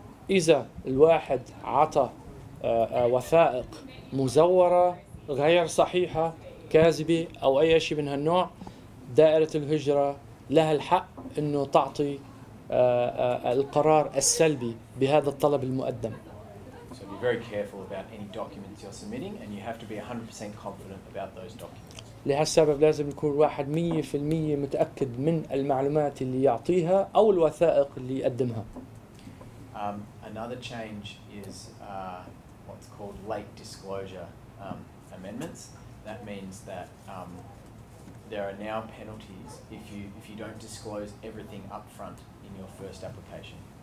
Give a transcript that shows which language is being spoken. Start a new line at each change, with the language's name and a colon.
Arabic: إذا الواحد عطى وثائق مزورة غير صحيحة كاذبة أو أي شيء من هالنوع دائرة الهجرة لها الحق إنه تعطي القرار السلبي بهذا الطلب المقدم.
English: So be very careful about any documents you're submitting and you have to be 100% confident about those documents.
Arabic: لهالسبب لازم يكون الواحد 100% متأكد من المعلومات اللي يعطيها أو الوثائق اللي يقدمها.
English: Another change is what's called late disclosure amendments. That means that there are now penalties if you don't disclose everything up front in your first application.